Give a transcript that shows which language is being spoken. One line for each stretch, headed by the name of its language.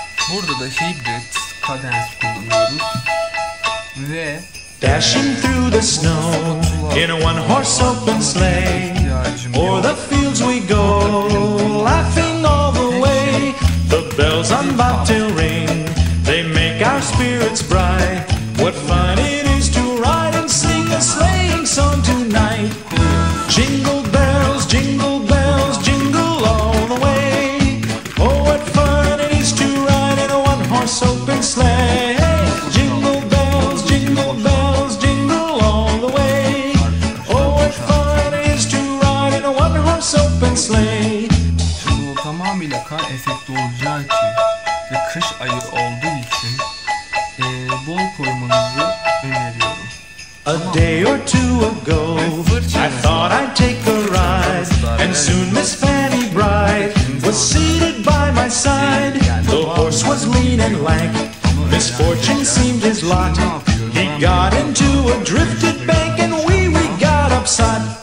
Turkish: Burada da hibrit kadans kullanıyoruz. Ve
English: dashing through the snow in a one-horse open sleigh, o'er the fields we go, laughing all the way. The bells on bobtail ring. Our spirits bright. What fun it is to ride and sing a sleighing song tonight. Jingle bells, jingle bells, jingle all the way. Oh, what fun it is to ride in a one-horse open sleigh. Jingle bells, jingle bells, jingle all the way. Oh, what fun it is to ride in a one-horse open sleigh.
Turkish: Şimdi bu tamamıyla kar efekti olacağı için ve kış ayı olduğu için bol korumanızı öneriyorum.
English: A day or two ago, I thought I'd take a ride, and soon Miss Fanny Bright was seated by my side. The horse was lean and lank, misfortune seemed his lot. He got into a drifted bank, and we got upset.